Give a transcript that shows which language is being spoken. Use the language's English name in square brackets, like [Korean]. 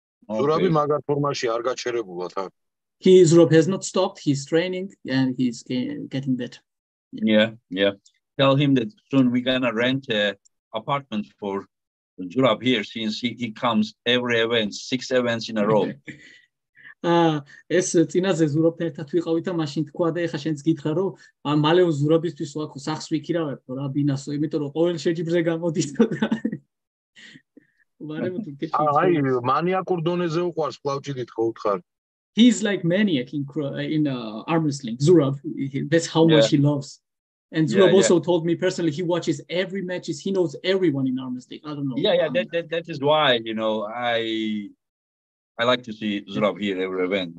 [Georgian] Zurabi magar formashi arga cherebulat. [English] His rope has not stopped. He's training and he's getting better. Yeah. Tell him that soon we're going to rent an apartment for Zurab here since he comes every event, six events in a row. [Georgian] ეს წინაზე ზურაბთან ერთად ვიყავით და მაშინ თქვა და ეხა შენც გითხრა რომ მალე ზურაბისთვის ვაქო სახს ვიქირავებ რა ბინასო იმიტომ რომ ყოველ შეჯიბრზე გამოდის და აი მანიაკურ დონეზე უყვარს კლავჭიდით ხო უთხარ [English] He's like maniac in arm wrestling. Zurab, that's how much he loves. And Zurab also told me personally, he watches every match. He knows everyone in arm wrestling. I don't know. Yeah, that is why, you know, I like to see Zurab here every event.